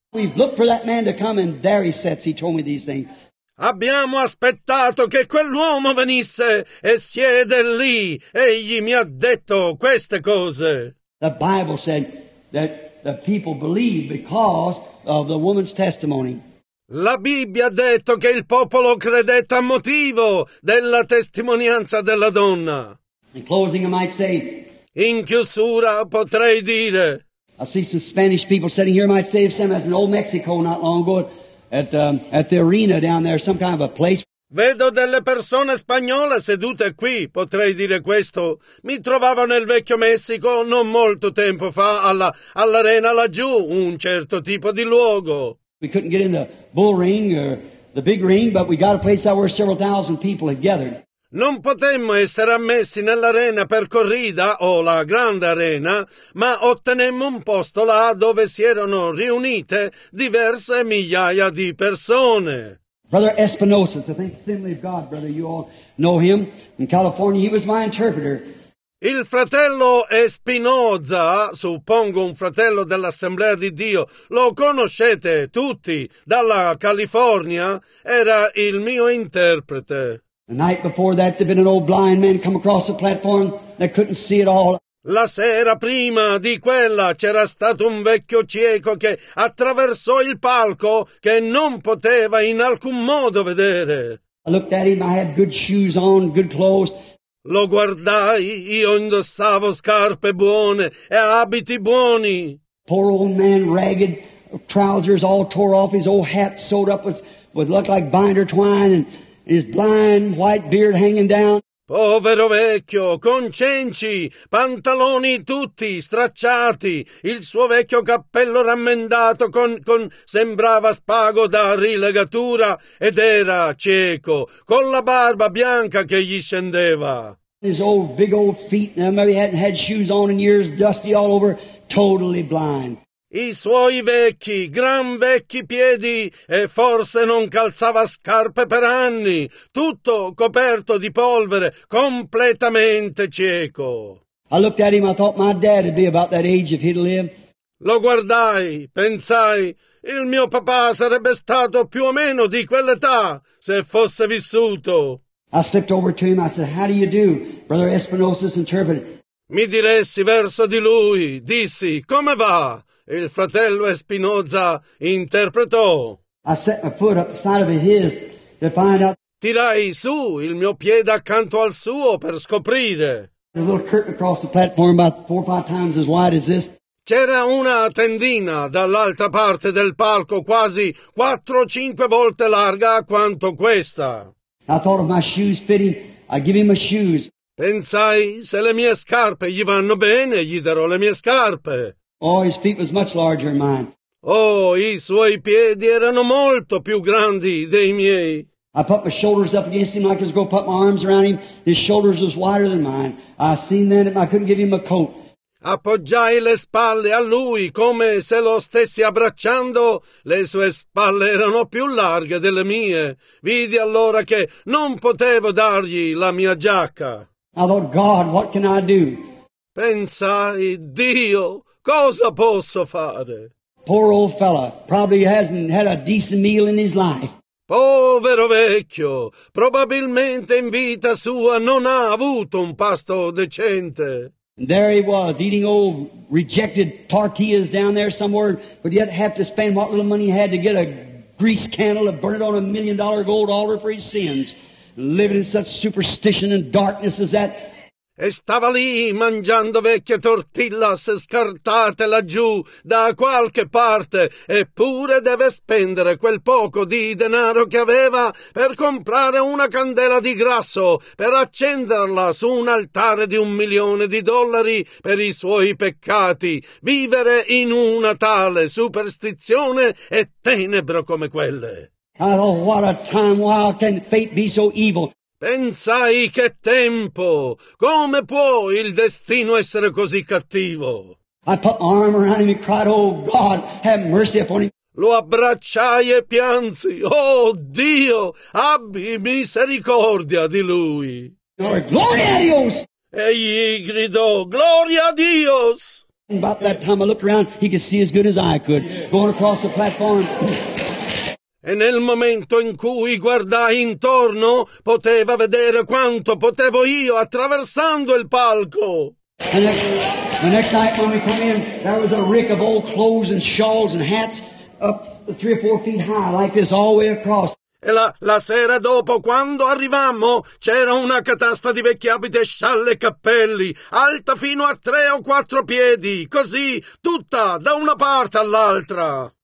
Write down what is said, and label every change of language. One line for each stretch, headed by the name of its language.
English: We've looked for that man to come and there he sits, he told me these things.
Italian: Abbiamo aspettato che quell'uomo venisse e siede lì, egli mi ha detto queste cose.
English: The Bible said that the people believed because of the woman's testimony.
Italian: La Bibbia ha detto che il popolo credette a motivo della testimonianza della donna.
English: In closing, I might say,
Italian: in chiusura potrei dire,
English: I see some Spanish people sitting here. I might say, same as in old Mexico not long ago at the arena down there, some kind of a place.
Italian: Vedo delle persone spagnole sedute qui, potrei dire questo. Mi trovavo nel vecchio Messico non molto tempo fa all'arena laggiù, un certo tipo di luogo.
English: We couldn't get in the bull ring or the big ring, but we got a place out where several thousand people had gathered.
Italian: Non potemmo essere ammessi nell'arena per corrida o la grande arena, ma ottenemmo un posto là dove si erano riunite diverse migliaia di persone.
English: Brother Espinosa, I think Assembly of God, brother, you all know him. In California, he was my interpreter.
Italian: Il fratello Espinosa, suppongo un fratello dell'Assemblea di Dio, lo conoscete tutti, dalla California, era il mio interprete.
English: The night before that, there'd been an old blind man come across the platform that couldn't see at all.
Italian: La sera prima di quella c'era stato un vecchio cieco che attraversò il palco che non poteva in alcun modo vedere.
English: I looked at him, I had good shoes on, good clothes.
Italian: Lo guardai, io indossavo scarpe buone e abiti buoni.
English: Poor old man, ragged trousers all tore off, his old hat sewed up with looked like binder twine and his blind white beard hanging down.
Italian: Povero vecchio, con cenci, pantaloni tutti stracciati, il suo vecchio cappello rammendato con sembrava spago da rilegatura ed era cieco, con la barba bianca che gli scendeva.
English: His old big old feet, now maybe he hadn't had shoes on in years, dusty all over, totally blind.
Italian: I suoi vecchi, gran vecchi piedi, e forse non calzava scarpe per anni, tutto coperto di polvere, completamente cieco.
English: I looked at him, I thought my dad would be about that age if he'd live.
Italian: Lo guardai, pensai, il mio papà sarebbe stato più o meno di quell'età se fosse vissuto.
English: I slipped over to him, I said, "How do you do, Brother Espinosa's interpreter?"
Italian: Mi diressi verso di lui, dissi, "Come va?" Il fratello Espinosa interpretò.
English: I set my foot up the side of his to find out.
Italian: Tirai su il mio piede accanto al suo per scoprire.
English: A little curtain across the platform about 4 or 5 times as wide as this.
Italian: C'era una tendina dall'altra parte del palco quasi 4 o 5 volte larga quanto questa.
English: I thought of my shoes fitting. I give him my shoes.
Italian: Pensai, se le mie scarpe gli vanno bene, gli darò le mie scarpe.
English: Oh, his feet was much larger than mine.
Italian: Oh, i suoi piedi erano molto più grandi dei miei.
English: I put my shoulders up against him like I was going to put my arms around him. His shoulders was wider than mine. I seen that and I couldn't give him a coat.
Italian: Appoggiai le spalle a lui come se lo stessi abbracciando. Le sue spalle erano più larghe delle mie. Vidi allora che non potevo dargli la mia giacca.
English: I thought, God, what can I do?
Italian: Pensai, Dio, cosa posso fare?
English: Poor old fella, probably hasn't had a decent meal in his life.
Italian: Povero vecchio, probabilmente in vita sua non ha avuto un pasto decente.
English: And there he was, eating old rejected tortillas down there somewhere, but yet have to spend what little money he had to get a grease candle to burn it on $1 million gold altar for his sins, living in such superstition and darkness as that.
Italian: E stava lì mangiando vecchie tortillas scartate laggiù da qualche parte, eppure deve spendere quel poco di denaro che aveva per comprare una candela di grasso, per accenderla su un altare di $1,000,000 per i suoi peccati, vivere in una tale superstizione e tenebro come quelle.
English: Oh, what a time, why can fate be so evil?
Italian: Pensai, che tempo! Come può il destino essere così cattivo?
English: I put my arm around him and cried, oh God, have mercy upon him.
Italian: Lo abbracciai e piansi, oh Dio, abbi misericordia di lui.
Spanish: Gloria a Dios!
Italian: Egli gridò,
Spanish: gloria a Dios!
English: About that time I looked around, he could see as good as I could, going across the platform.
Italian: E nel momento in cui guardai intorno, poteva vedere quanto potevo io attraversando il palco.
English: The next night when we come in, there was a rick of old clothes and shawls and hats up 3 or 4 feet high, like this, all the way across.
Italian: E la sera dopo, quando arrivammo, c'era una catasta di vecchi abiti e scialle e cappelli, alta fino a 3 o 4 piedi, così, tutta da una parte all'altra.